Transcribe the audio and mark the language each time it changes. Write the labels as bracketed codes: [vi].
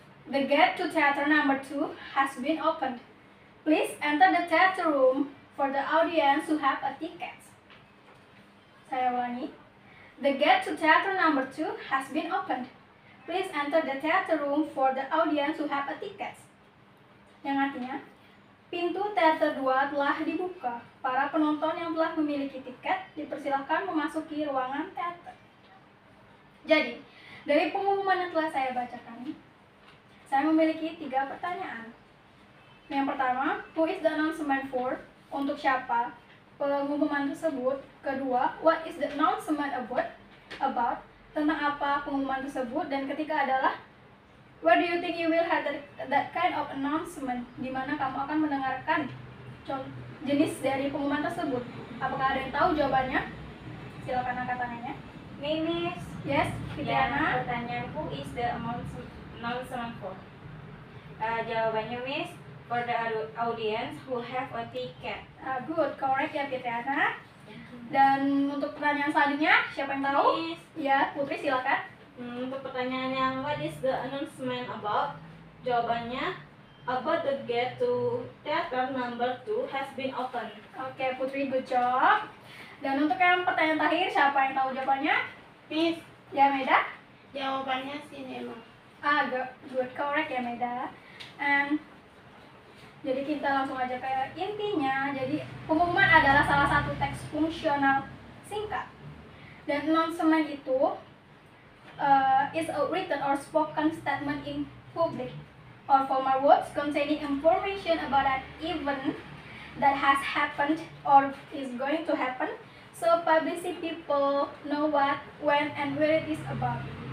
[en] the gate to theater number 2 has been opened. Please enter the theater room for the audience who have a ticket. Saya ulangi. The gate to theater number 2 has been opened. Please enter the theater room for the audience who have a ticket. [id] Yang artinya, pintu teater 2 telah dibuka. Para penonton yang telah memiliki tiket dipersilakan memasuki ruangan teater. Jadi, dari pengumuman yang telah saya bacakan, saya memiliki 3 pertanyaan. Yang pertama, who is the announcement for? Untuk siapa pengumuman tersebut? Kedua, what is the announcement about? About, tentang apa pengumuman tersebut? [en] Dan ketiga adalah, where do you think you will have that kind of announcement? [id] Di mana kamu akan mendengarkan jenis dari pengumuman tersebut? Apakah ada yang tahu jawabannya? Silakan angkat tangannya. Mimis. [en] Yes, Fitriana. Ya, pertanyaan, who is the announcement for? Jawabannya, Miss, for the audience who have a ticket. Good, correct ya, Fitriana. [id] Dan untuk pertanyaan selanjutnya, siapa yang tahu? [en] Miss. [id] Ya, Putri, silakan. [en] Untuk pertanyaan yang, what is the announcement about? Jawabannya, about the gate to theater number 2 has been opened. Okay, Putri, good job. [id] Dan untuk yang pertanyaan terakhir, siapa yang tahu jawabannya? [en] Miss. [id] Ya, Meda? Jawabannya cinema. [en] Good, correct ya, Meda. [id] Jadi kita langsung aja ke intinya. Jadi pengumuman adalah salah satu teks fungsional singkat. [en] Dan announcement itu is a written or spoken statement in public or formal words containing information about an event that has happened or is going to happen, so publicly people know what, when, and where it is about.